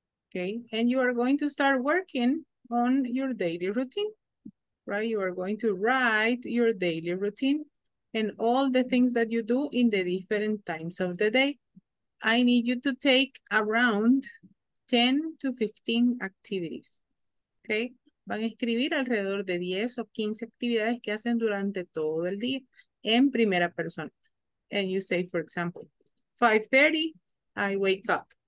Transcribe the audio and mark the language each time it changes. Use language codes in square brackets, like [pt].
[en] Okay, and you are going to start working on your daily routine, right? You are going to write your daily routine and all the things that you do in the different times of the day. I need you to take around 10 to 15 activities, okay? [es] Van a escribir alrededor de 10 o 15 actividades que hacen durante todo el día en primera persona. [en] And you say, for example, 5:30, I wake up.